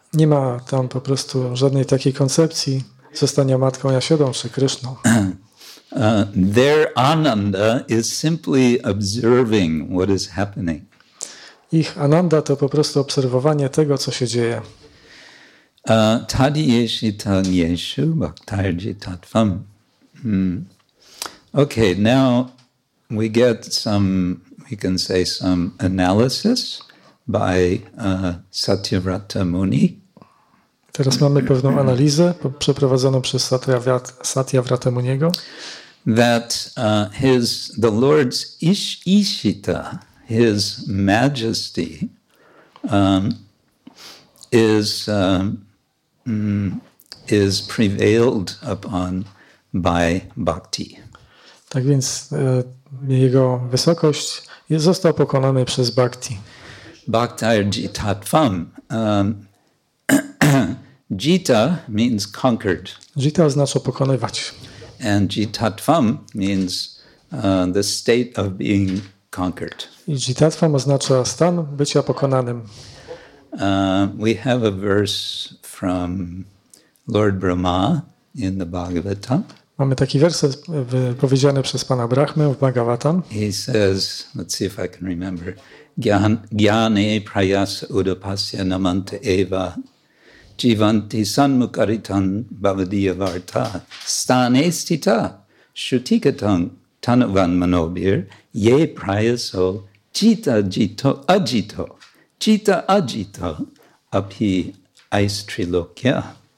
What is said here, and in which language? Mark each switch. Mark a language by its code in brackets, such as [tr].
[pl] Nie ma tam po prostu żadnej takiej koncepcji zostania Matką Yashodą czy Kryszną. [en] Their ananda is simply observing what is happening. [pl] Ich ananda to po prostu obserwowanie tego, co się dzieje. [sa] Tadiyeshi tanyeshu bhaktarjitatvam. [en] Okay, now we get some, we can say some analysis by Satyavrata Muni. [pl] Teraz mamy pewną analizę przeprowadzoną przez Satyavrata Muniego. [en] that the Lord's Ishita, His Majesty, is prevailed upon by bhakti. [pl] Tak więc jego wysokość został pokonany przez bhakti. [sa] Bhaktair jitatvam. [en] Jita means conquered. [pl] Jita oznacza pokonywać. [en] And jitatvam means the state of being conquered. [pl] I jitatvam oznacza stan bycia pokonanym. [en] We have a verse from Lord Brahma in the Bhagavatam. [pl] Mamy taki werset wypowiedziany przez Pana Brahmę w Bhagavatam. [en] He says, let's see if I can remember, [sa] Gyane prayas udapasya namante eva jivanti sanmukaritan bhavadiyavarta stane stita shutikatang tanuvan manobir ye prayaso jita jito ajito jita ajito api aistrilokya.